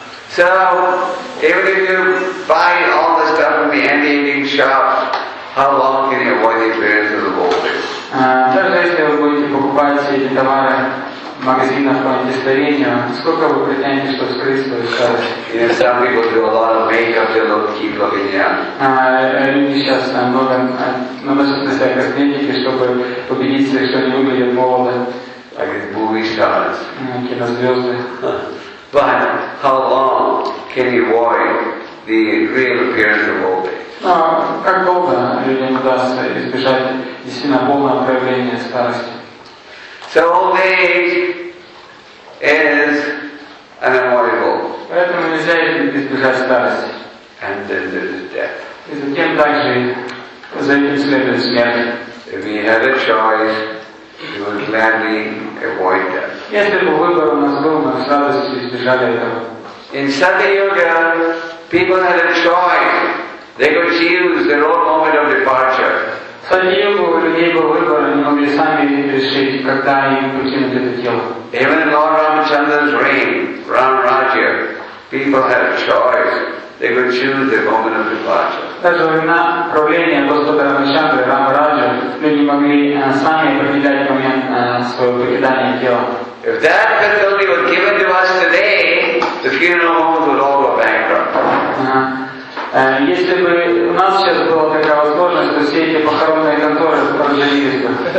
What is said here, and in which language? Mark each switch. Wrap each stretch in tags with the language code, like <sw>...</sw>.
<en>So, even if you buy all the stuff in the anti-aging shop, how long can you avoid the appearance of the baldness?</en> <ru>Магазинах антистарения, сколько вы претендуете, что скрыть свою старость?</ru> <en>Yes, some people do a lot of makeup, they look, keep looking young.</en> <ru>Люди сейчас много наносят на себя косметики, чтобы убедиться, что они выглядят молодо.</ru> <en>Like these movie stars.</en> <ru>Кинозвезды.</ru> <en>But how long can you avoid the real appearance of old age?</en> <ru>Как долго людям удастся избежать действительно полного проявления старости?</ru> <en>So old age is unavoidable.</en> <ru>Поэтому нельзя избежать старости.</ru> <en>And then there is death.</en> <ru>И затем также за этим следует смерть.</ru> <en>If we had a choice, we would gladly avoid death.</en> <ru>Если бы выбор у нас был, мы с радостью избежали этого.</ru> <en>In Satya Yoga, people had a choice. They could choose their own moment of departure.</en> <ru>В Сатья-йогу у людей был выбор, они могли сами решить, когда им покинуть это тело.</ru> <en>Even in Lord Ramachandra's reign, Ram Rajya, people had a choice. They could choose their moment of departure.</en> <ru>Даже во время правления Господа Рамачандры, Рам Раджа, люди могли сами определять момент своего покидания тела.</ru> <en>If that facility was given to us today, the funeral homes would all go bankrupt.</en> <ru>Если бы у нас сейчас была такая возможность, то все эти похоронные конторы продлились бы.</ru>